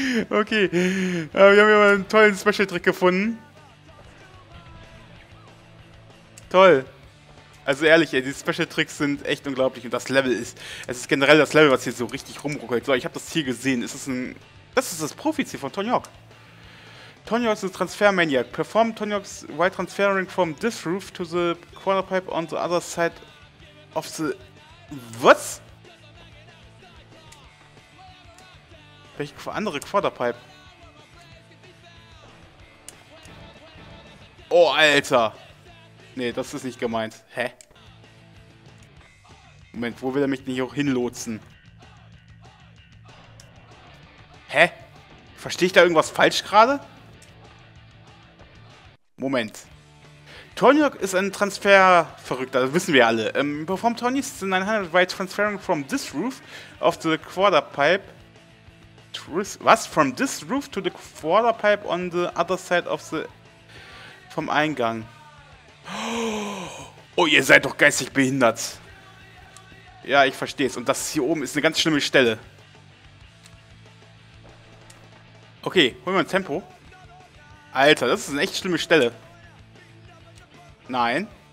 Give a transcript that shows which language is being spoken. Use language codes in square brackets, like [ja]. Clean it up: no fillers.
[de] Okay. Wir haben hier mal einen tollen Special-Trick gefunden. Toll. Also ehrlich, ey, die Special-Tricks sind echt unglaublich. Und das Level ist... Es ist generell das Level, was hier so richtig rumruckelt. So, ich habe das Ziel gesehen. Ist das ein... Das ist das Profi-Ziel von Tony Hawk. Tony Hawk's Transfer-Maniac. [en] Perform Tony Hawk's wide transferring from this roof to the corner pipe on the other side of the... [de] Was? Welche andere Quarterpipe? Oh, Alter. Nee, das ist nicht gemeint. Hä? Moment, wo will er mich denn hier auch hinlotsen? Hä? Verstehe ich da irgendwas falsch gerade? Moment. Tony Hawk ist ein Transfer-Verrückter, das wissen wir alle. [en] Perform Tony's 900-wide transferring from this roof of the quarterpipe. [de] Was? [en] From this roof to the quarterpipe on the other side of the... [de] vom Eingang. Oh, ihr seid doch geistig behindert. Ja, ich verstehe es. Und das hier oben ist eine ganz schlimme Stelle. Okay, holen wir ein Tempo. Alter, das ist eine echt schlimme Stelle. Nein.